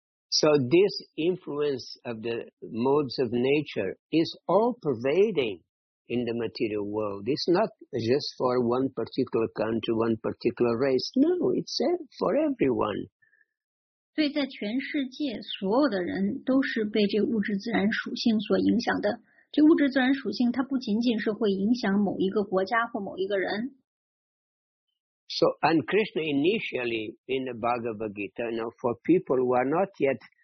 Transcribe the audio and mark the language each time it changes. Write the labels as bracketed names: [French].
[English] So this influence of the modes of nature is all pervading. In the material world, it's not just for one particular country, one particular race. No, it's for everyone. [Chinese] 对，在全世界，所有的人都是被这个物质自然属性所影响的。这物质自然属性，它不仅仅是会影响某一个国家或某一个人。 [English] So, and Krishna initially in the Bhagavad Gita, you know, for people who are not yet.